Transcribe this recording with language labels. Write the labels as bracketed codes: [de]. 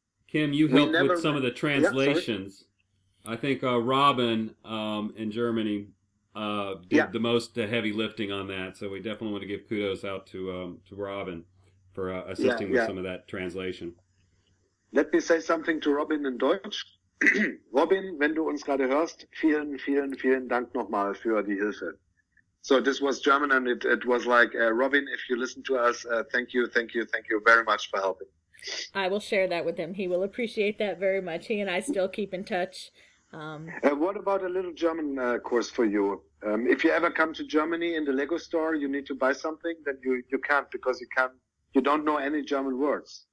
[en] Kim, you helped with some of the translations. I think Robin in Germany did the most heavy lifting on that. So we definitely want to give kudos out to Robin for assisting with some of that translation. Let me say something to Robin in Deutsch. [de] Robin, wenn du uns gerade hörst, vielen, vielen, vielen Dank nochmal für die Hilfe. [en] So this was German, and it was like, Robin, if you listen to us, thank you very much for helping. I will share that with him. He will appreciate that very much. He and I still keep in touch. What about a little German course for you? If you ever come to Germany in the Lego store, you need to buy something, then you can't, because you don't know any German words.